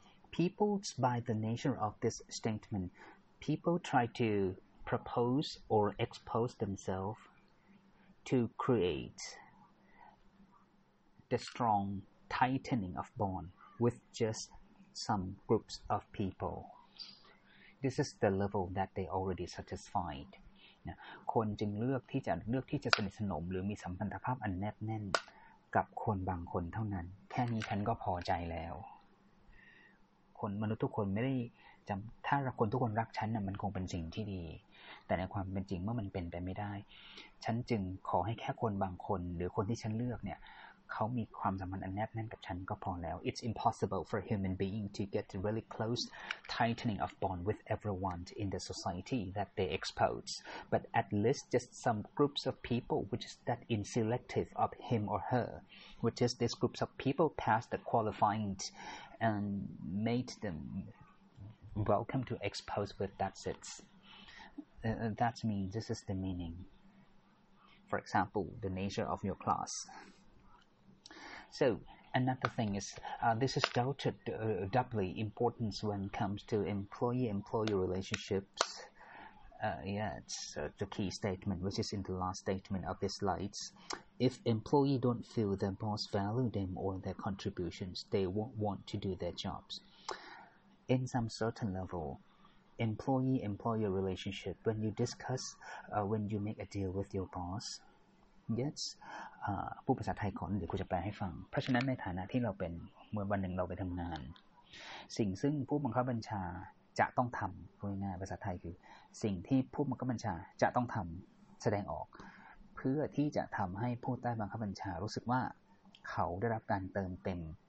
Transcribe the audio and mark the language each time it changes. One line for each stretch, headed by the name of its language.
English: People, by the nature of this statement, people try to propose or expose themselves to create the strong tightening of bond with just some groups of people. This is the level that they already satisfied.
Thai: คนจึงเลือกที่จะสนิทสนมหรือมีสัมพันธภาพอันแนบแน่นกับคนบางคนเท่านั้นแค่นี้ฉันก็พอใจแล้วคนมนุษย์ทุกคนไม่ได้จำถ้าคนทุกคนรักฉันน่ะมันคงเป็นสิ่งที่ดีแต่ในความเป็นจริงเมื่อมันเป็นไปไม่ได้ ฉันจึงขอให้แค่คนบางคนหรือคนที่ฉันเลือกเนี่ยเขามีความสัมพันธ์อันแนบแน่นกับฉันก็พอแล้ว
English: It's impossible for a human being to get a really close tightening of bond with everyone in the society that they expose but at least just some groups of people which is that in selective of him or her which is these groups of people pass the qualifying and made them welcome to expose with that's it that means this is the meaning for example the nature of your classSo, another thing is, this is doubly important when it comes to employee-employee relationships. The key statement, which is in the last statement of these slides. If employee don't feel their boss value them or their contributions, they won't want to do their jobs. in some certain level, employee-employer relationship, when you discuss, when you make a deal with your boss.
Thai: Yes, พูดภาษาไทยก่อนเดี๋ยวกูจะแปลให้ฟังเพราะฉะนั้นในฐานะที่เราเป็นเมื่อวันหนึ่งเราไปทำงานสิ่งซึ่งผู้บังคับบัญชาจะต้องทำพูดง่ายภาษาไทยคือสิ่งที่ผู้บังคับบัญชาจะต้องทำแสดงออกเพื่อที่จะทำให้ผู้ใต้บังคับบัญชารู้สึกว่าเขาได้รับการเติมเต็ม